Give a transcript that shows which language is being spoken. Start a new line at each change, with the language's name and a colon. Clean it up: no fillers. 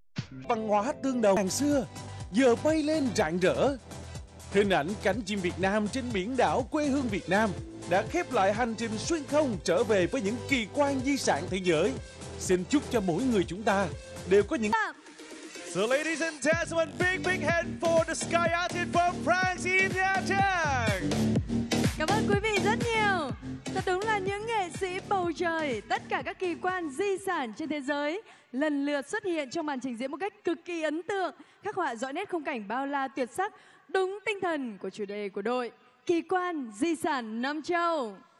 Vietnamese: Văn hóa tương đồng hàng xưa giờ bay lên rạng rỡ. Hình ảnh cánh chim Việt Nam trên biển đảo quê hương Việt Nam đã khép lại hành trình xuyên không trở về với những kỳ quan di sản thế giới. Xin chúc cho mỗi người chúng ta đều có những.
English: So ladies and gentlemen, big big hand for the sky artist from France in Nha Trang.
Vietnamese: Cảm ơn quý vị rất nhiều. Thật đúng là những nghệ sĩ bầu trời, tất cả các kỳ quan di sản trên thế giới lần lượt xuất hiện trong màn trình diễn một cách cực kỳ ấn tượng, khắc họa rõ nét khung cảnh bao la tuyệt sắc, đúng tinh thần của chủ đề của đội Kỳ quan Di sản Nam Châu.